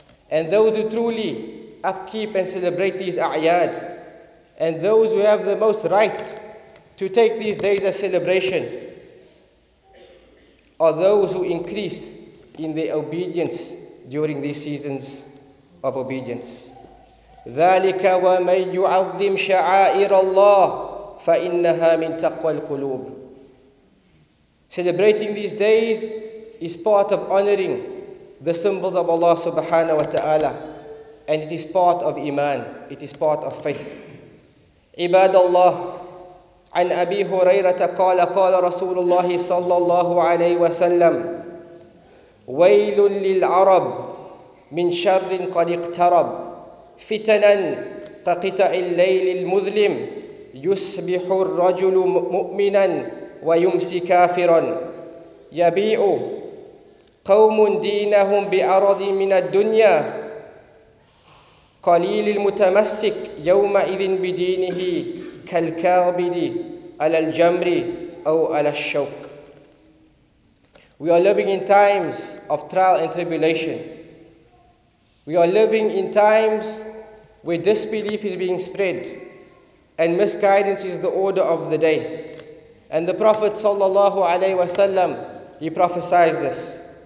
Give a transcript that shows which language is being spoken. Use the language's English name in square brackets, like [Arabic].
[English] And those who truly upkeep and celebrate these A'yad, and those who have the most right to take these days as celebration, are those who increase in their obedience during these seasons of obedience. [Arabic] ذلك ومن يعظم شعائر الله فإنها من تقوى القلوب. [English] Celebrating these days is part of honoring the symbols of Allah subhanahu wa ta'ala, and it is part of iman, it is part of faith. [Arabic] عباد الله, عن أبي هريرة قال قال رسول الله صلى الله عليه وسلم ويل للعرب من شر قد اقترب فتنا كقطع الليل المظلم يصبح الرجل مؤمنا ويمسي كافرا يبيع قوم دينهم بأرض من الدنيا قليل المتمسك يومئذ بدينه كالكابد على الجمر أو على الشوك. [English] We are living in times of trial and tribulation. We are living in times where disbelief is being spread and misguidance is the order of the day. And the Prophet sallallahu alayhi wasallam, he prophesied this.